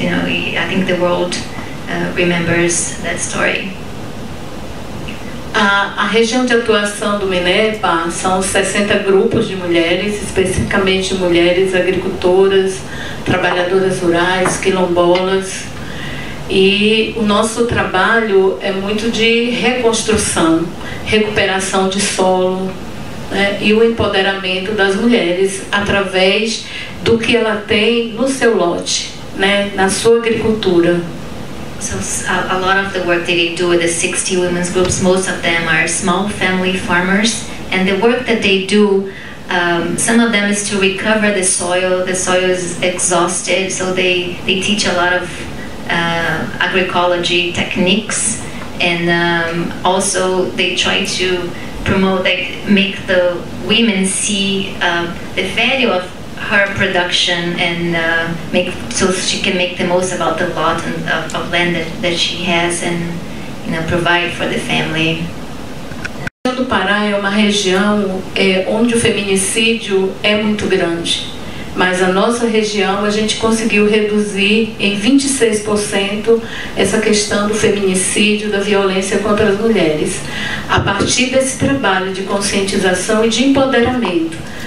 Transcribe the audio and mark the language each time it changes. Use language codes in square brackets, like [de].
[en] You know, I think the world remembers that story. [pt] A região de atuação do MNEPA são 60 grupos de mulheres, especificamente mulheres agricultoras, trabalhadoras rurais, quilombolas. E o nosso trabalho é muito de reconstrução, recuperação de solo, né, e o empoderamento das mulheres através do que ela tem no seu lote, né, na sua agricultura. [en] So a lot of the work that they do with the 60 women's groups, most of them are small family farmers, and the work that they do, some of them is to recover the soil. The soil is exhausted, so they teach a lot of agroecology techniques, and also they try to promote, like, make the women see the value of her production, and make so she can make the most about the lot and of land that she has, and, you know, provide for the family. [pt] A região do Pará é uma região onde o feminicídio é muito grande, mas a nossa região a gente conseguiu reduzir em 26% essa questão do feminicídio, da violência contra as mulheres, a partir desse trabalho de conscientização e de empoderamento.